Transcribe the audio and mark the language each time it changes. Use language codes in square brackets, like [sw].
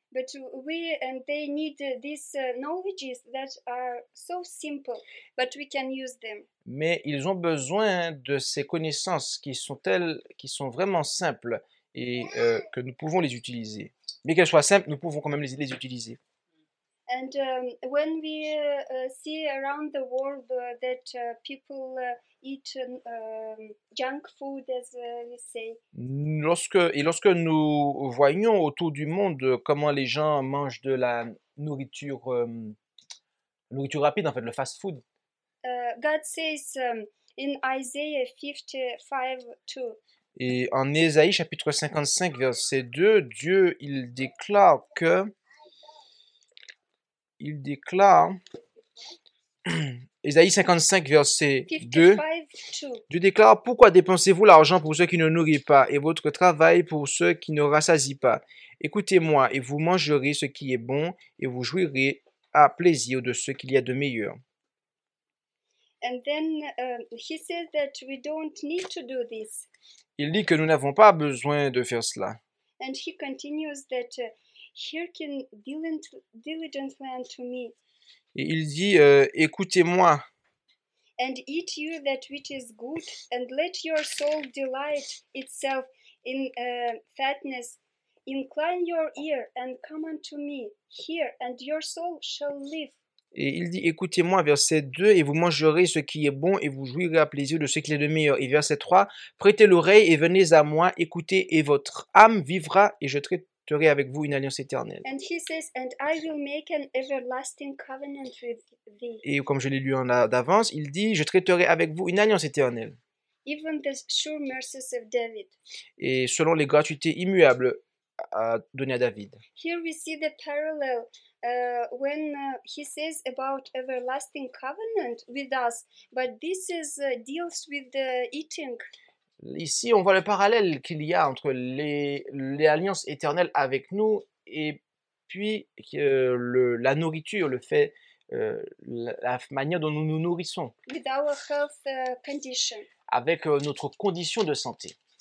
[en] But we and they need these knowledges that are so simple, but we can use them. [fr] Mais ils ont besoin de ces connaissances qui sont vraiment simples et que nous pouvons les utiliser. Mais qu'elles soient simples, nous pouvons quand même les utiliser. [en] And when we see around the world that people eat junk food, as we say. [fr] Lorsque nous voyons autour du monde comment les gens mangent de la nourriture rapide, en fait, le fast food. [en] God says in Isaiah 55:2. [fr] Et en Ésaïe chapitre 55 verset 2, Dieu il déclare que. Il déclare, Ésaïe 55, verset 2, Dieu déclare, « Pourquoi dépensez-vous l'argent pour ceux qui ne nourrissent pas et votre travail pour ceux qui ne rassasient pas? Écoutez-moi et vous mangerez ce qui est bon et vous jouirez à plaisir de ce qu'il y a de meilleur. » [en] And then he says that we don't need to do this. [fr] Il dit que nous n'avons pas besoin de faire cela. [en] And he continues that, hearken diligently unto me. [fr] Et il dit, écoutez-moi. [en] And eat you that which is good, and let your soul delight itself in fatness. Incline your ear and come unto me. Hear, and your soul shall live. [fr] Et il dit, écoutez-moi, verset 2, et vous mangerez ce qui est bon et vous jouirez à plaisir de ce qui est le meilleur. Et verset 3, prêtez l'oreille et venez à moi, écoutez, et votre âme vivra et je traiterai avec vous une alliance éternelle. [en] And he says, and I will make an everlasting covenant with thee. [fr] Et comme je l'ai lu en avance, il dit, je traiterai avec vous une alliance éternelle. [en] Even the sure mercies of David. [fr] Et selon les gratuités immuables données à David. [en] Here we see the parallel when he says about everlasting covenant with us, but this is deals with the eating. [fr] Ici, on voit le parallèle qu'il y a entre les alliances éternelles avec nous et puis la nourriture, le fait, la manière dont nous nous nourrissons. [en] With our health, condition. [fr] Avec notre condition de santé.